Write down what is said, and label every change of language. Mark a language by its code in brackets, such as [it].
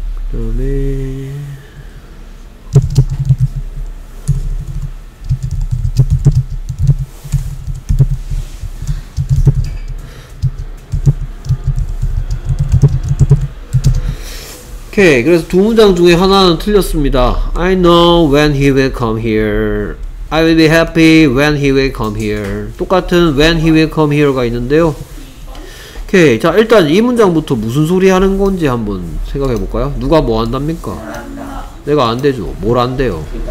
[ko] 그다음에 오케이. 그래서 두 문장 중에 하나는 틀렸습니다. [en] I know when he will come here. I will be happy when he will come here. [ko] 똑같은 [en] when he will come here [ko] 가 있는데요. 오케이. 자, 일단 이 문장부터 무슨 소리 하는 건지 한번 생각해 볼까요? 누가 뭐 한답니까? 내가 안 되죠. 뭘 안 돼요?